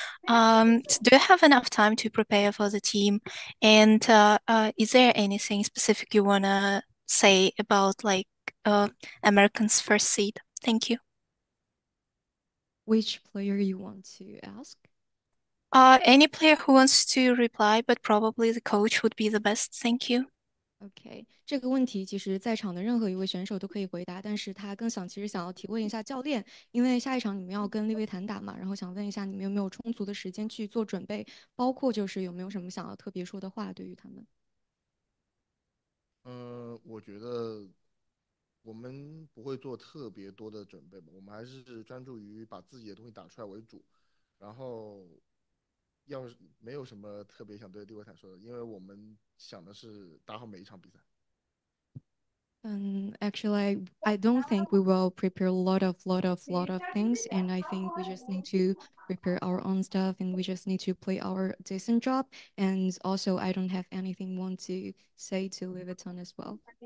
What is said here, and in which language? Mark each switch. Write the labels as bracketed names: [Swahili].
[English] Do you have enough time to prepare for the team? And is there anything specific you wanna say about like American's first seed? Thank you. Which player you want to ask? Any player who wants to reply, but probably the coach would be the best. Thank you. [Chinese] OK, 这个问题其实在场的任何一位选手都可以回答，但是他更想其实想要提问一下教练，因为下一场你们要跟利维坦打嘛，然后想问一下你们有没有充足的时间去做准备，包括就是有没有什么想要特别说的话对于他们。我觉得我们不会做特别多的准备吧，我们还是专注于把自己的东西打出来为主，然后要是没有什么特别想对利维坦说的，因为我们想的是打好每一场比赛。 [English] Actually, I don't think we will prepare a lot of things, and I think we just need to prepare our own stuff, and we just need to play our decent job. And also, I don't have anything want to say to Leviton as well.